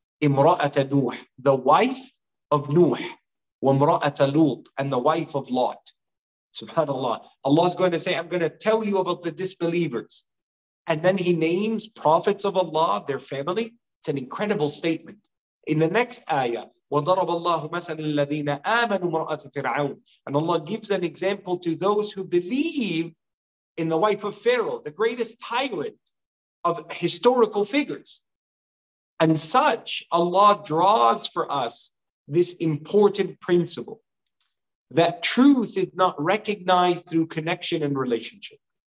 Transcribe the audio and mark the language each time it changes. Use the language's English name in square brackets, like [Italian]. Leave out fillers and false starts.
[Arabic] Imra'ata Nuh, [English] the wife of Nuh, [Arabic] wa imra'ata Lut, [English] and the wife of Lot. Subhanallah. Allah is going to say, I'm going to tell you about the disbelievers. And then he names prophets of Allah, their family. It's an incredible statement. In the next ayah, [Arabic] وَضَرَبَ اللَّهُ مَثَلًا الَّذِينَ آمَنُوا مْرَأَةَ فِرْعَوْنَ. [English] And Allah gives an example to those who believe in the wife of Pharaoh, the greatest tyrant of historical figures. And such, Allah draws for us this important principle. that truth is not recognized through connection and relationship.